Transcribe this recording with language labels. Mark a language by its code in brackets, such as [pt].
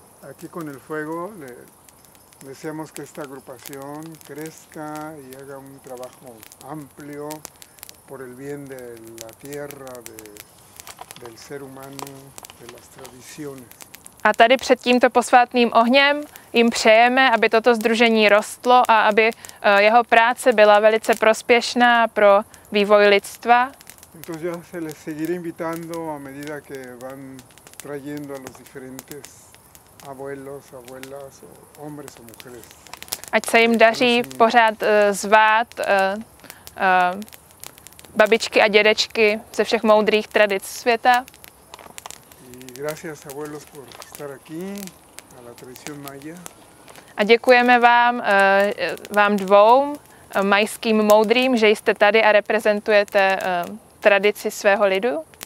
[es] Aquí con el fuego le deseamos que esta agrupación crezca y haga un trabajo amplio por el bien de la tierra, del ser humano, de las tradiciones. [cs] A tady před tímto posvátným ohněm jim přejeme, aby toto sdružení rostlo a aby jeho práce byla velice prospěšná pro vývoj lidstva. [es] Entonces ya se les seguiré invitando a medida que van trayendo a los diferentes abuelos, abuelas, hombres o mujeres. [cs] Ať se jim daří pořád zvát babičky a dědečky ze všech moudrých tradic světa. [es] Y gracias abuelos por estar aquí a la tradición maya. [cs] A děkujeme vám, vám dvou, majským moudrým, že jste tady a reprezentujete tradici svého lidu.